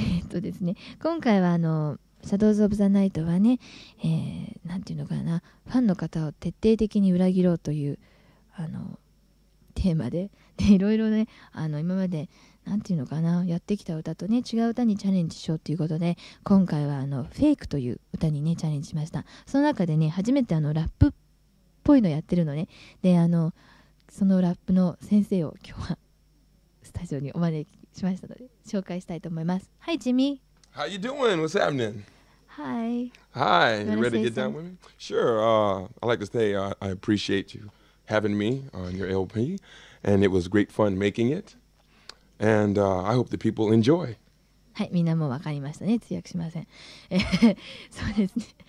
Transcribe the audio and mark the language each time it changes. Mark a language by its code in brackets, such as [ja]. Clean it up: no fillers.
[ja] ですね、今回はシャドウズ・オブ・ザ・ナイトはね、なんていうのかな、ファンの方を徹底的に裏切ろうというテーマで、いろいろね、今までなんていうのかな、やってきた歌とね違う歌にチャレンジしようということで、今回はフェイクという歌にねチャレンジしました。その中でね初めてラップっぽいのやってるのね。でそのラップの先生を今日はスタジオにお招きしましたので紹介したいと思います。 [en] Hi Jimmy, how you doing? What's happening? Hi, hi, you ready to get down with me? Sure, I'd like to say I appreciate you having me on your LP, and it was great fun making itAnd I hope the people enjoy. [ja] はい、みんなもわかりましたね。通訳しません。そうですね。